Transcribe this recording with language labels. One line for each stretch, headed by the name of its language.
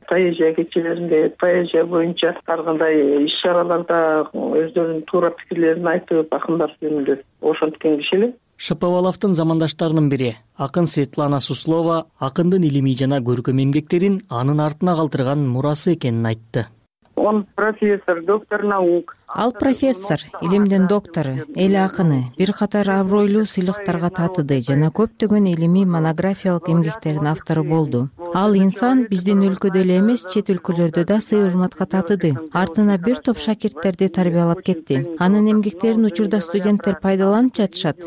Kyrgyz: Поэзия кечелеринде, поэзия боюнча ар кандай иш чараларда өздөрүнүн туура пикирлерин айтып, акындар жөнүндө ошонткен киши эле. Шапаваловдун замандаштарынын бири акын Светлана Суслова акындын илимий жана көркөм эмгектерин анын артына калтырган мурасы экенин айтты.
Russian: Он профессор, доктор наук.
Kyrgyz: Ал профессор, илимдин доктору, эл акыны, бир катар абройлуу сыйлыктарга татыды жана көптөгөн илимий монографиялык эмгектердин автору болду. Ал инсан биздин өлкөдө эле эмес, чет өлкөлөрдө да сый урматка татыды. Артына бир топ шакирттерди тарбиялап кетти. Анын эмгектерин учурда студенттер пайдаланып жатышат.